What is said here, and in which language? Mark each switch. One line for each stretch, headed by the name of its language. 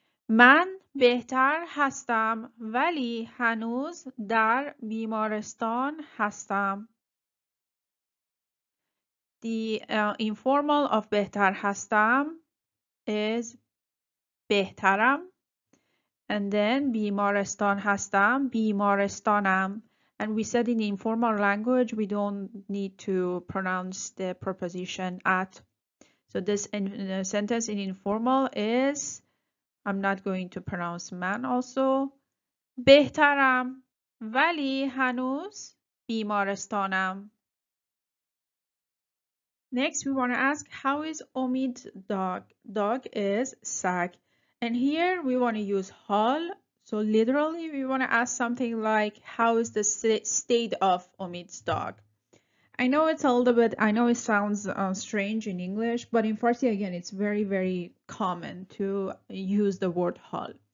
Persian: من بهتر هستم ولی هنوز در بیمارستان هستم.
English: The informal of
Persian: بهتر هستم
English: is بهترم. And then
Persian: بیمارستان هستم بیمارستانم.
English: And we said in informal language we don't need to pronounce the preposition at. So this sentence in informal is, I'm not going to pronounce من also.
Persian: بهترم ولی هنوز بیمارستانم.
English: Next, we want to ask, how is Omid dog? Dog is sag. And here we want to use hal. So literally, we want to ask something like, how is the state of Omid's dog? I know it's a little bit, I know it sounds strange in English, but in Farsi, again, it's very, very common to use the word hal.